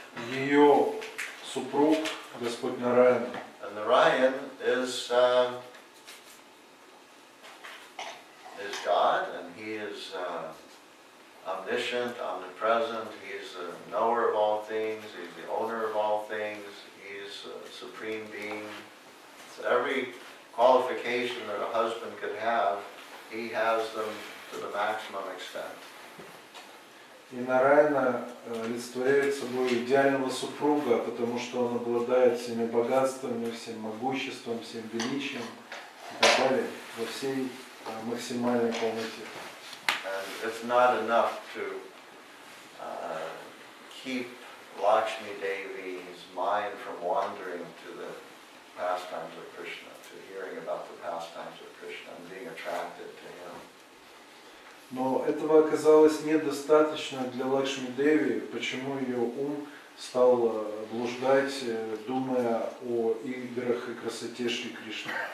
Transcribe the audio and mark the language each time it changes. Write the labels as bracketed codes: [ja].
[ru] Ее супруг Господь Нараян. [en] And Narayan is God, and he is omniscient, omnipresent. He is the knower of all things. He's the owner of all things. He is a supreme being. So every qualification that a husband could have, he has them to the maximum extent. [ru] И Нараяна олицетворяет собой идеального супруга, потому что он обладает всеми богатствами, всем могуществом, всем величием и так далее, во всей максимальной полноте. [en] And it's not enough to keep Lakshmi Devi's mind from wandering to the pastimes of Krishna, to hearing about the pastimes of Krishna and being attracted to him. [ru] Но этого оказалось недостаточно для Лакшми Деви, почему ее ум стал блуждать, думая о играх и красоте Шри Кришны.